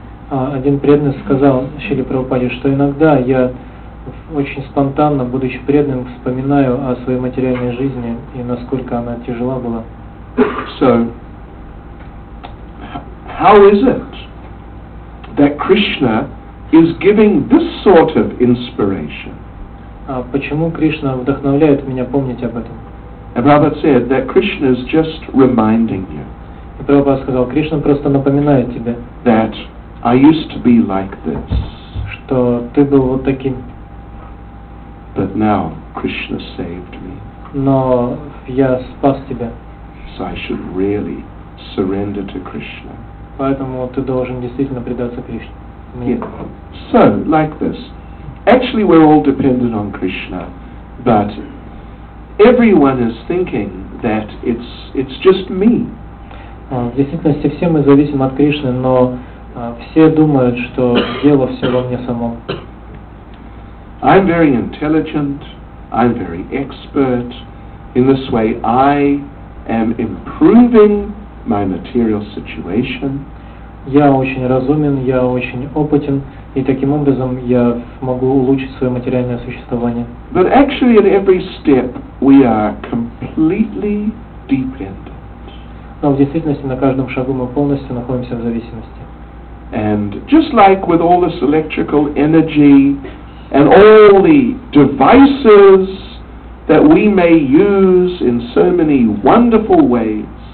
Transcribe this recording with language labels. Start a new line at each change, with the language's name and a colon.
Russian: Один преданный сказал Шриле Прабхупаде, что иногда я очень спонтанно, будучи преданным, вспоминаю о своей материальной жизни и насколько она тяжела была.
English: So, how is it that Krishna is giving this sort of inspiration?
Russian: Почему Кришна вдохновляет меня помнить об этом?
English: And Prabhupada said that Krishna is just reminding you.
Russian: И Прабхупада сказал, Кришна просто напоминает тебе.
English: That I used to be like this.
Russian: Что ты был вот таким.
English: But now Krishna saved me.
Russian: Но я спас тебя.
English: So I should really surrender to Krishna.
Russian: Поэтому ты должен действительно предаться Кришне.
English: Yeah. So, like this. Actually, we're all dependent on Krishna, but everyone is thinking that it's just me.
Russian: В действительности все мы зависим от Кришны, но все думают, что дело все во мне самом.
English: I'm very intelligent, I'm very expert. In this way, I am improving my material situation.
Russian: Я очень разумен, я очень опытен, и таким образом я могу улучшить свое материальное существование.
English: But actually at every step we are completely dependent.
Russian: Но в действительности на каждом шагу мы полностью находимся в зависимости.
English: And just like with all this electrical energy and all the devices that we may use in so many wonderful ways,